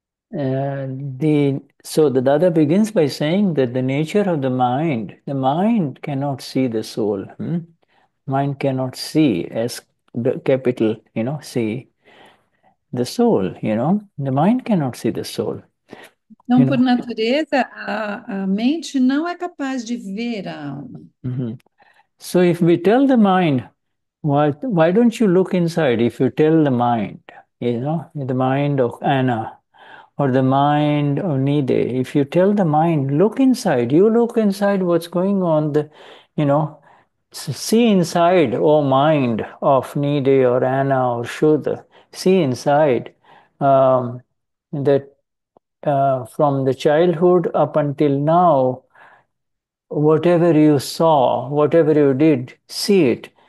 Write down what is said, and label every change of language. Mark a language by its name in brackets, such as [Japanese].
[English] So the Dada begins by saying that the nature of the mind cannot see the soul. Mind cannot see, as the capital, you know, see the soul, you know, the mind cannot see the soul, [Portuguese] Então, [English] you know. [Portuguese] por natureza, a mente não é capaz de ver a alma. [English] So if we tell the mind, why don't you look inside? If you tell the mind, you know, the mind of Anna, or the mind of Nide, if you tell the mind, look inside, you look inside what's going on, you know, see inside, O mind of Nide or Anna or Shuddha, see inside that from the childhood up until now, whatever you saw, whatever you did, see it.